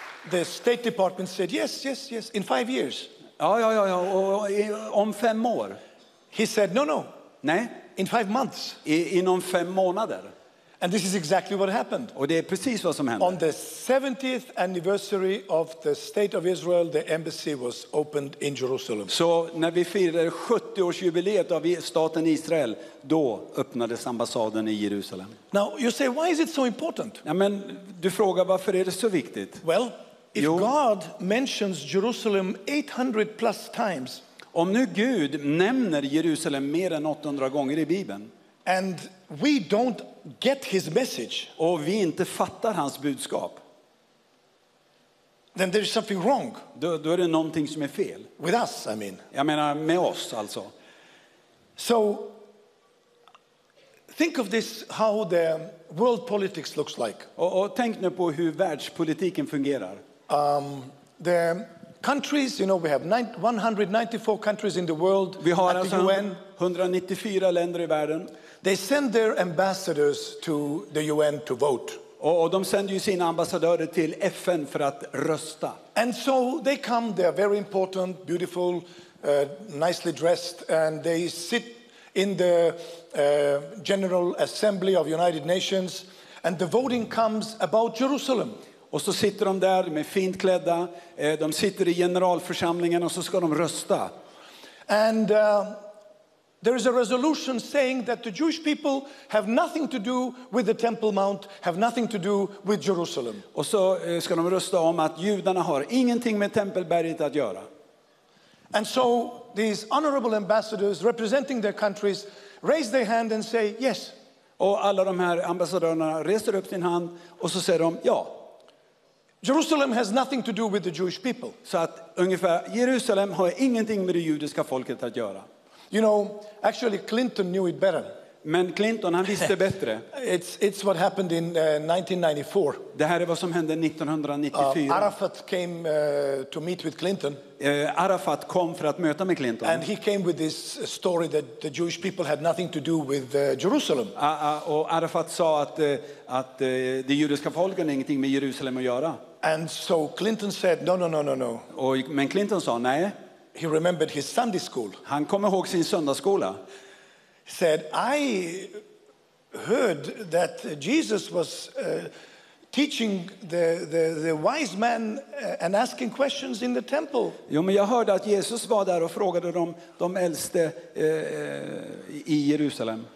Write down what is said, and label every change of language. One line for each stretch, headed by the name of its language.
English: The State Department said yes in 5 years.
Swedish: Ja, om 5 år.
English: He said no.
Swedish: Nej.
English: In 5 months.
Swedish: Inom 5 månader.
English: And this is exactly what happened.
Swedish: Och det är precis vad som hände.
English: On the 70th anniversary of the State of Israel, the embassy was opened in Jerusalem.
Swedish: Så när vi firar 70-årsjubileet av staten Israel, då öppnades ambassaden i Jerusalem.
English: Now you say, why is it so important?
Swedish: Ja, men du frågar varför är det så viktigt?
English: Well, if God mentions Jerusalem 800 plus times.
Swedish: Om nu Gud nämner Jerusalem mer än 800 gånger i Bibeln.
English: And we don't get his message.
Swedish: Och vi inte fattar hans budskap.
English: Then there is something wrong.
Swedish: Då är det någonting som är fel.
English: With us, I mean.
Swedish: Jag menar med oss alltså.
English: So think of this, how the world politics looks like.
Swedish: Och tänk nu på hur världspolitiken fungerar.
English: The countries, you know, we have 194 countries in the world.
Swedish: Vi har alltså 194 länder i världen.
English: They send their ambassadors to the UN to vote.
Swedish: Och de sänder ju sina ambassadörer till FN för att rösta.
English: And so they come, they are very important, beautiful, nicely dressed, and they sit in the General Assembly of United Nations, and the voting comes about Jerusalem.
Swedish: Och så sitter de där med fint klädda, de sitter i generalförsamlingen och så ska de rösta.
English: And there is a resolution saying that the Jewish people have nothing to do with the Temple Mount, have nothing to do with Jerusalem.
Swedish: Och så ska de rösta om att judarna har ingenting med tempelberget att göra.
English: And so these honorable ambassadors representing their countries raise their hand and say yes.
Swedish: Och alla de här ambassadörerna reser upp sin hand och så säger de ja.
English: Jerusalem has nothing to do with the Jewish people.
Swedish: Så att ungefär Jerusalem har ingenting med det judiska folket att göra.
English: You know, actually Clinton knew it better.
Swedish: Men Clinton, han visste bättre.
English: It's what happened in 1994.
Swedish: Det här är vad som hände 1994.
English: Arafat came to meet with Clinton.
Swedish: Arafat kom för att möta med Clinton.
English: And he came with this story that the Jewish people had nothing to do with Jerusalem.
Swedish: Och Arafat sa att det judiska folket har ingenting med Jerusalem att göra.
English: And so Clinton said, no.
Swedish: Men Clinton sa nej.
English: He remembered his Sunday school.
Swedish: Han kommer ihåg sin söndagsskola.
English: He said, I heard that Jesus was teaching the wise men and asking questions in the temple.
Swedish: Jo, men jag hörde att Jesus var där och frågade de äldste i Jerusalem.